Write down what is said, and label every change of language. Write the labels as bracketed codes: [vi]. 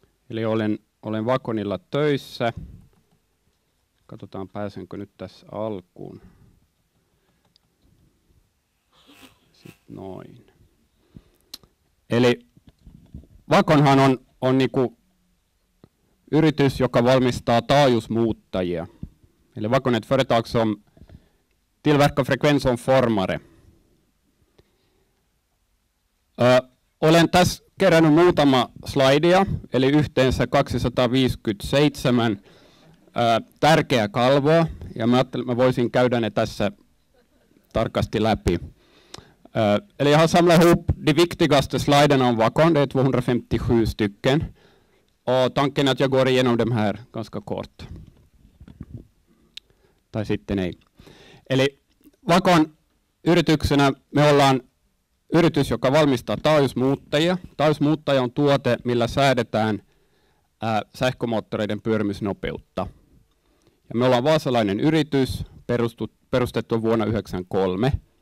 [fi] Eli olen Vaconilla töissä. Katsotaan pääsenkö nyt tässä alkuun. Sitten noin. Eli Vaconhan on niinku yritys, joka valmistaa taajuusmuuttajia. [sv] Eli Vacon ett företag som tillverkar frekvensomformare. [fi] Olen tässä kerännyt muutama slaidia, eli yhteensä 257 tärkeää kalvoa, ja mä ajattelin, että mä voisin käydä ne tässä tarkasti läpi. [sv] Eli jag har samlat ihop de viktigaste sliderna om Vacon, det är 257 stycken. Och tanken är att jag går igenom dem här ganska kort. [fi] Tai sitten ei. Eli Vacon yrityksenä me ollaan yritys, joka valmistaa taajuusmuuttajia. Taajuusmuuttaja on tuote, millä säädetään sähkömoottoreiden pyörimisnopeutta. Ja me ollaan vaasalainen yritys, perustettu vuonna 1993.